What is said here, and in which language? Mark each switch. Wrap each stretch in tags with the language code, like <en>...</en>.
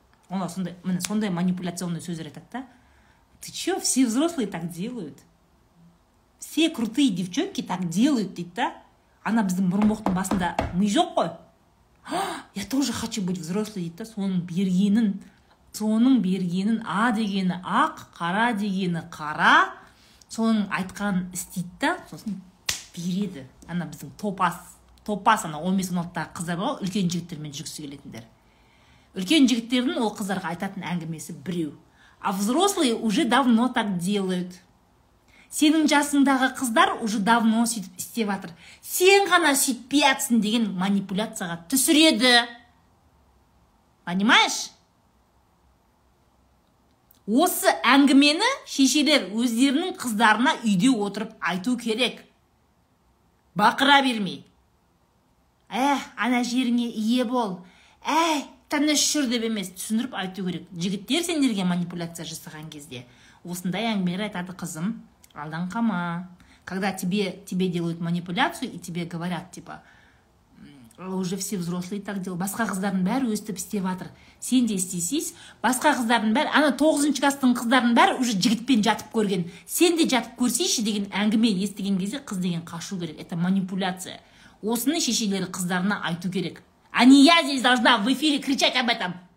<kk>Олар сондай манипуляционный сөздер айтады да,</kk> <ru>ты че, все взрослые так делают. Все крутые девчонки так делают,</ru> <kk>дейді да. Ана біздің бұрынбоқтың басында ми жоқ қой.</kk> <ru>Я тоже хочу быть взрослый,</ru> <kk>дейді да. Соның бергенін а дегені ақ, қара дегені қара, соның айтқанын істейді да, сосын береді. Ана біздің топас ана 15-16-тағы қыздар ғой, үлкен жігіттермен жүргісі келетіндер. Үлкен жігіттердің ол қыздарға айтатын әңгімесі біреу.</kk> <ru>А взрослые уже давно так делают.</ru> <kk>Сенің жасыңдағы қыздар</kk> <ru>уже давно</ru> <kk>сөйтіп істеп жатыр. Сен ғана сөйтпей атсың деген манипуляцияға түсіреді. Понимаешь? Осы әңгімені шешелер өздерінің қыздарына үйде отырып айту керек. Бақыра бермей. Ана жеріңе ие бол. Тыныш жүр деп емес, түсіндіріп айту керек. Жігіттер сендерге манипуляция жасаған кезде осындай әңгімелер айтады қызым. Алдан қама.</kk> <ru>Когда тебе делают манипуляцию и тебе говорят, типа, уже все взрослые так делают.</ru> <kk>Басқа қыздардың бәрі өстіп істеп жатыр. Сен де істейсің. Басқа қыздардың бәрі, ана 9-шы кластың қыздардың бәрі уже жігітпен жатып көрген. Сен де жатып көрсейші деген әңгіме естіген кезде қыз деген қашу керек.</kk> <ru>Это манипуляция.</ru> <kk>Осыны шешелері қыздарына айту керек.</kk> <ru>А не я здесь должна в эфире кричать об этом.</ru>